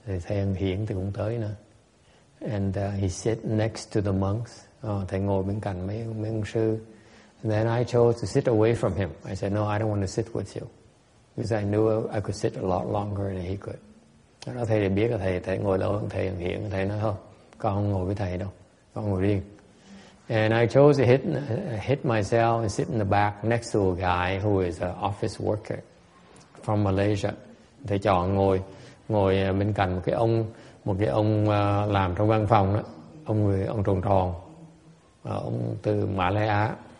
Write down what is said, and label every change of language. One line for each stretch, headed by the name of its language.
Vietnamese: Thầy ông Hiển thì cũng tới nữa.
English: And he sat next to the monks.
Vietnamese: Thầy ngồi bên cạnh mấy ông sư.
English: And then I chose to sit away from him. I said, no, I don't want to sit with you. Because I knew I could sit a lot longer than he could.
Vietnamese: Đó, thầy thì biết là thầy ngồi lâu hơn thầy Hiển. Thầy nói, không, con không ngồi với thầy đâu. Con ngồi riêng.
English: And I chose to hit myself and sit in the back next to a guy who is an office worker from Malaysia.
Vietnamese: Thầy chọn ngồi bên cạnh một cái ông làm trong văn phòng đó, ông tròn tròn, ông từ Mã Lai Á.